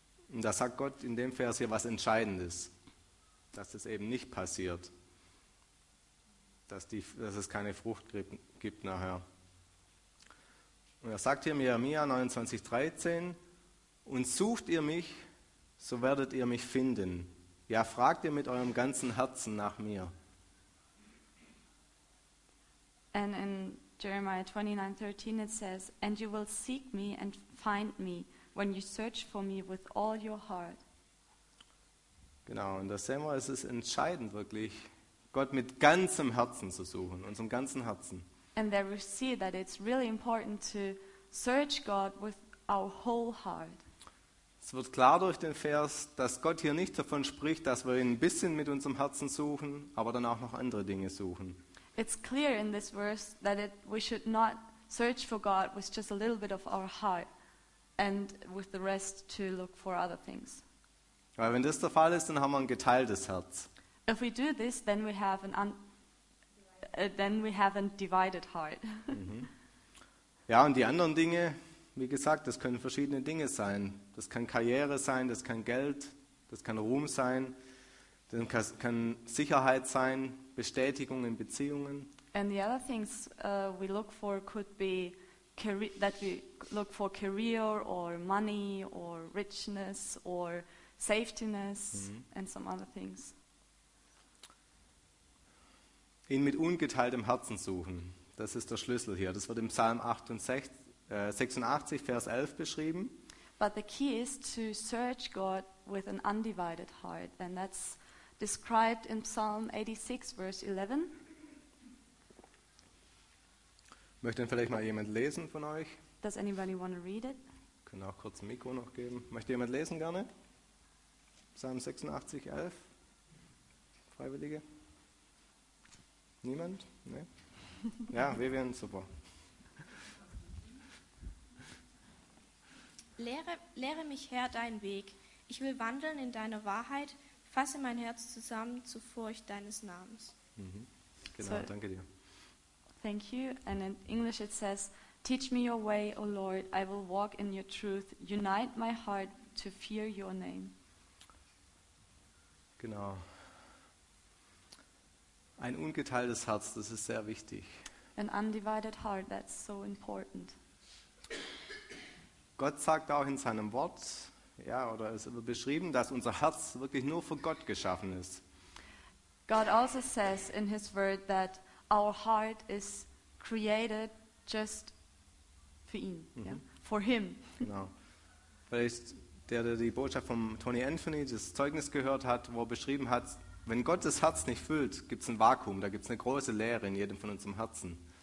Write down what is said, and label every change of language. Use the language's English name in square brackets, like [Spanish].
[German] Und da sagt Gott in dem Vers hier was Entscheidendes, dass es eben nicht passiert, dass es keine Frucht gibt nachher. Und er sagt hier in Jeremia 29,13, und sucht ihr mich, so werdet ihr mich finden. Ja, fragt ihr mit eurem ganzen Herzen nach mir. [English] And in Jeremiah 29,13 it says, and you will seek me and find me, when you search for me with all your heart. [German] Genau, und das sehen wir, es ist entscheidend wirklich, Gott mit ganzem Herzen zu suchen, unserem ganzen Herzen. [English] And there we see that it's really important to search God with our whole heart. [German] Es wird klar durch den Vers, dass Gott hier nicht davon spricht, dass wir ihn ein bisschen mit unserem Herzen suchen, aber dann auch noch andere Dinge suchen. [English] It's clear in this verse that we should not search for God with just a little bit of our heart and with the rest to look for other things. [German] Weil wenn das der Fall ist, dann haben wir ein geteiltes Herz. [English] If we do this, then we have a divided heart. [German] Ja, und die anderen Dinge, wie gesagt, das können verschiedene Dinge sein. Das kann Karriere sein, das kann Geld, das kann Ruhm sein, das kann Sicherheit sein, Bestätigung in Beziehungen. [English] And the other things we look for could be that we look for career or money or richness or safetyness and some other things. [German] Ihn mit ungeteiltem Herzen suchen. Das ist der Schlüssel hier. Das wird im Psalm 86, Vers 11 beschrieben. [English] But the key is to search God with an undivided heart. And that's described in Psalm 86, Vers 11. [German] Möchte denn vielleicht mal jemand lesen von euch? [English] Does anybody want to read it? [German] Ich kann auch kurz ein Mikro noch geben. Möchte jemand lesen gerne? Psalm 86, 11. Freiwillige. Niemand? Nee. Ja, wir wären super. Lehre mich, Herr, deinen Weg. Ich will wandeln in deiner Wahrheit. Fasse mein Herz zusammen zur Furcht deines Namens. Mhm. Genau, so, danke dir. [English] Thank you. And in English it says, teach me your way, O Lord. I will walk in your truth. Unite my heart to fear your name. [German] Genau. Ein ungeteiltes Herz, das ist sehr wichtig. [English] An undivided heart, that's so important. [German] Gott sagt auch in seinem Wort, ja, oder es wird beschrieben, dass unser Herz wirklich nur für Gott geschaffen ist. [English] God also says in his word that our heart is created just for ihn, yeah, for him. [German] Genau. Vielleicht der die Botschaft von Tony Anthony, das Zeugnis gehört hat, wo er beschrieben hat, wenn Gott das Herz nicht füllt, gibt es ein Vakuum, da gibt es eine große Leere in jedem von unserem Herzen.